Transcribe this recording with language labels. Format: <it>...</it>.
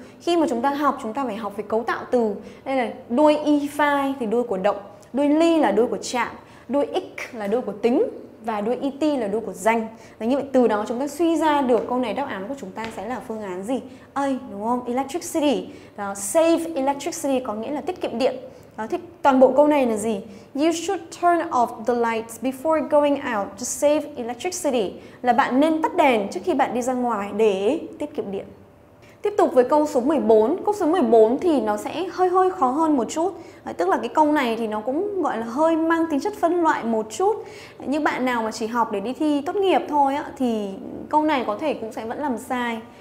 <vi>Khi mà chúng ta học, chúng ta phải học về cấu tạo từ. Đây là đuôi efi thì đuôi của động, đuôi ly là đuôi của trạng, đuôi ic là đuôi của tính và đuôi et là đuôi của danh. Đấy, như vậy từ đó chúng ta suy ra được câu này đáp án của chúng ta sẽ là phương án gì? A, đúng không? Electricity. Đó, save electricity có nghĩa là tiết kiệm điện. Đó, thì toàn bộ câu này là gì?</vi> <en>You should turn off the lights before going out to save electricity.</en> <vi>Là bạn nên tắt đèn trước khi bạn đi ra ngoài để tiết kiệm điện. Tiếp tục với câu số 14. Câu số 14 thì nó sẽ hơi khó hơn một chút. Tức là cái câu này thì nó cũng gọi là hơi mang tính chất phân loại một chút. Như bạn nào mà chỉ học để đi thi tốt nghiệp thôi á, thì câu này có thể cũng sẽ vẫn làm sai.</vi>